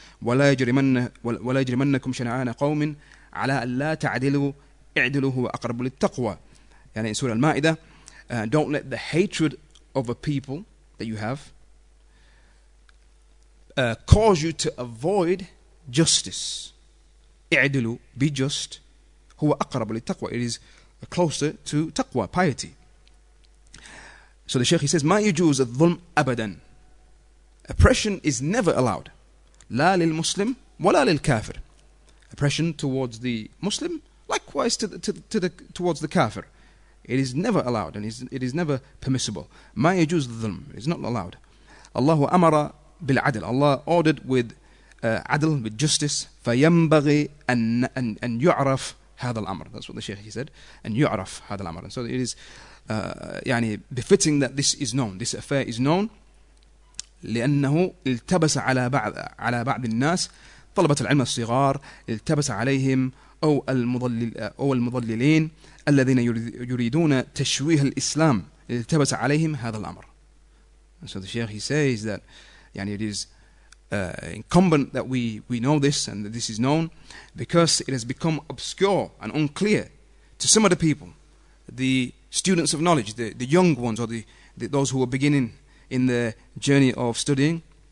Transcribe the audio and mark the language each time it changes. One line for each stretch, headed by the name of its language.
Arabic: Wala yajrimannakum shana'ana qawmin ala alla ta'dilu.
English: يعني in Surah Al-Ma'idah, don't let the hatred of a people that you have cause you to avoid justice.
Arabic: اعدلوا,
English: be just,
Arabic: هو أقرب للتقوى.
English: It is closer to taqwa, piety. So the Shaykh, he says,
Arabic: ما يجوز الظلم أبدا.
English: Oppression is never allowed.
Arabic: لا للمسلم ولا للكافر.
English: Oppression towards the Muslim, likewise towards the kafir. It is never allowed and it is never permissible.
Arabic: ما يجوز الظلم.
English: It's not allowed.
Arabic: الله أمر بالعدل.
English: Allah ordered with عدل, with justice.
Arabic: فينبغي أن يعرف هذا الأمر.
English: That's what the Sheikh he said.
Arabic: أن يعرف هذا الأمر.
English: And so it is يعني befitting that this is known. This affair is known.
Arabic: لأنه التبس على بعض الناس طلبة العلم الصغار التبس عليهم أو المضللين الذين يريدون تشويه الإسلام التبس عليهم هذا الأمر.
English: And so the Sheikh he says that يعني it is incumbent that we know this and that this is known because it has become obscure and unclear to some of the people, the students of knowledge, the young ones or the those who are beginning in the journey of studying.